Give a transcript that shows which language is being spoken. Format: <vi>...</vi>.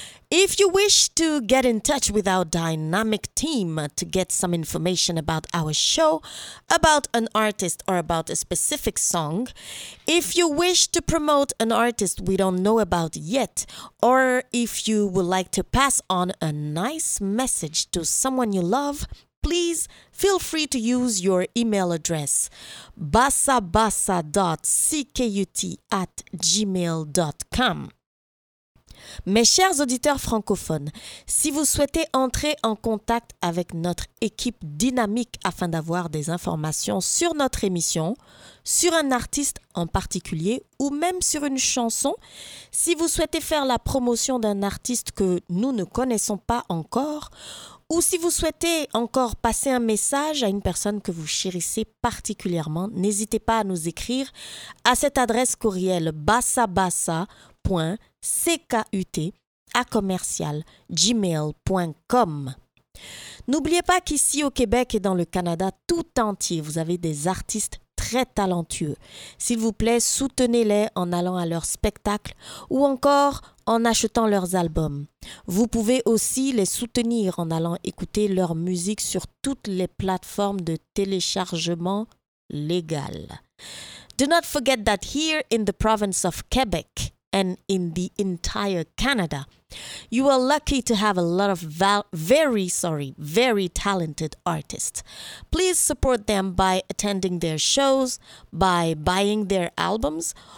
<en>If you wish to get in touch with our dynamic team to get some information about our show, about an artist, or about a specific song, if you wish to promote an artist we don't know about yet, or if you would like to pass on a nice message to someone you love, please feel free to use your email address, bassabassa.ckut@gmail.com.</en> <fr>Mes chers auditeurs francophones, si vous souhaitez entrer en contact avec notre équipe dynamique afin d'avoir des informations sur notre émission, sur un artiste en particulier ou même sur une chanson, si vous souhaitez faire la promotion d'un artiste que nous ne connaissons pas encore ou si vous souhaitez encore passer un message à une personne que vous chérissez particulièrement, n'hésitez pas à nous écrire à cette adresse courriel bassabassa.ckut@gmail.com. N'oubliez pas qu'ici au Québec et dans le Canada tout entier, vous avez des artistes très talentueux. S'il vous plaît, soutenez-les en allant à leur spectacle ou encore en achetant leurs albums. Vous pouvez aussi les soutenir en allant écouter leur musique sur toutes les plateformes de téléchargement légales.</fr> <en>Do not forget that here in the province of Quebec and in the entire Canada, you are lucky to have a lot of very talented artists. Please support them by attending their shows, by buying their albums.</en>